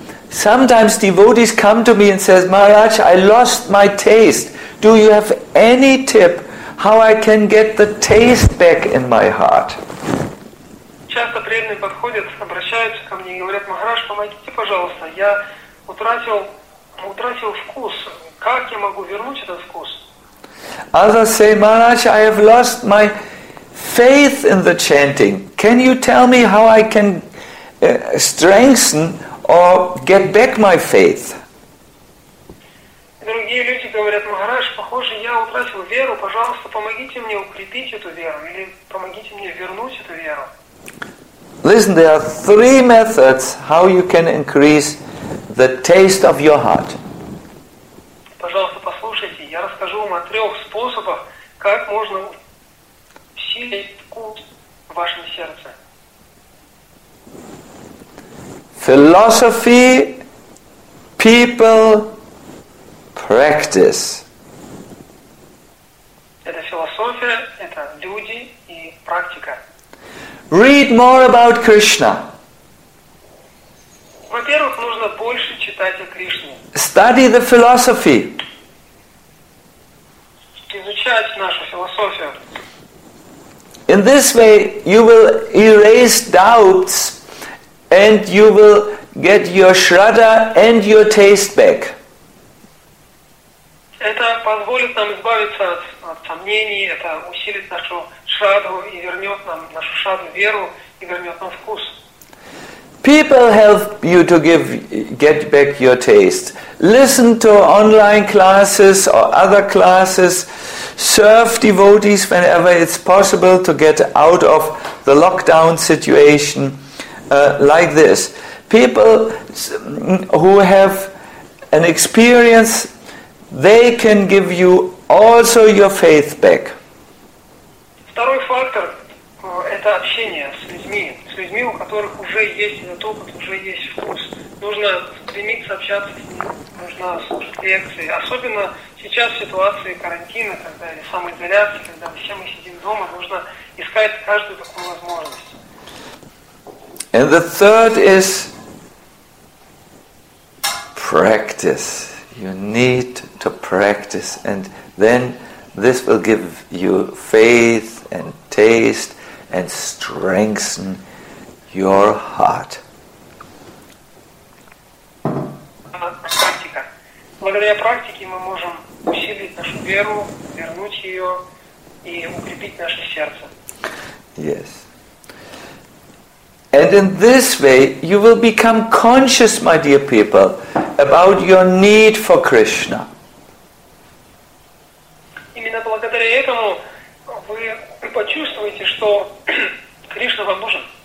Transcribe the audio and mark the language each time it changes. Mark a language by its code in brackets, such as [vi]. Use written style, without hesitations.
[en] Sometimes devotees come to me and says, Maharaj, I lost my taste. Do you have any tip how I can get the taste back in my heart? [ru] Часто преданные подходят, обращаются ко мне и говорят, Махарадж, помогите, пожалуйста, я утратил вкус. Как я могу вернуть этот вкус? [en] Others say, Maharaj, I have lost my faith in the chanting. Can you tell me how I can strengthen or get back my faith? [ru] Другие люди говорят, Махарадж, похоже, я утратил веру, пожалуйста, помогите мне укрепить эту веру, или помогите мне вернуть эту веру. [en] Listen, there are three methods how you can increase the taste of your heart. [ru] Пожалуйста, послушайте, я расскажу. расскажу вам о трех способах, как можно усилить культ в вашем сердце. [en] Philosophy, people, practice. [ru] Это философия, это люди и практика. [en] Read more about Krishna. [ru] Во-первых, нужно больше читать о Кришне. [en] Study the philosophy. [ru] Изучать нашу философию. [en] In this way, you will erase doubts and you will get your shraddha and your taste back. [ru] Это позволит нам избавиться от сомнений, это усилит нашу шраддху и вернет нам нашу шраддху веру и вернет нам вкус. [en] People help you to get back your taste. Listen to online classes or other classes. Serve devotees whenever it's possible to get out of the lockdown situation like this. People who have an experience, they can give you also your faith back. [ru] Второй фактор – это общение с людьми. С людьми, у которых уже есть этот опыт, уже есть вкус. Нужно стремиться общаться с ними, нужно слушать лекции. Особенно сейчас в ситуации карантина, когда или самоизоляции, когда все мы сидим дома, нужно искать каждую такую возможность. [en] And the third is practice. You need to practice, and then this will give you faith and taste and strengthen your heart. [ru] Практика. Благодаря практике мы можем усилить нашу веру, вернуть ее и укрепить наше сердце. [en] Yes. And in this way, you will become conscious, my dear people, about your need for Krishna. [ru] Именно благодаря этому вы почувствуете, что Кришна вам нужен.